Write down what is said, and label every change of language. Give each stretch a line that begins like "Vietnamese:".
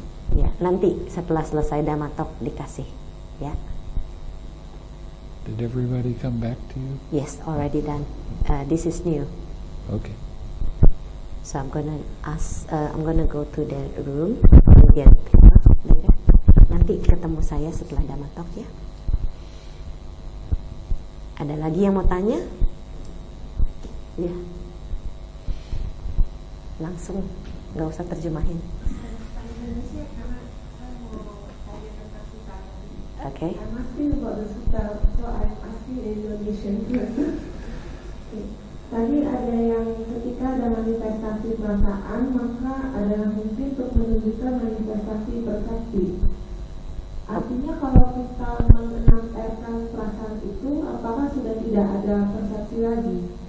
Indonesian: Yeah, nanti setelah selesai damatok dikasih. Yeah.
English: Did everybody come back to you? Yes, already done. This is new. Okay. So I'm gonna go to the room and get paper.
Indonesian: Nanti ketemu saya setelah damatok ya. Ada lagi yang mau tanya? Ya. Yeah. Langsung, enggak usah terjemahin.
English: Okay. I'm asking about the sutta, so I'm asking in Indonesian.
Indonesian: Tadi ada yang ketika ada manifestasi perasaan, maka ada mimpi untuk menunjukkan manifestasi persepsi. Artinya kalau kita menampilkan perasaan itu, apakah sudah tidak ada persepsi lagi?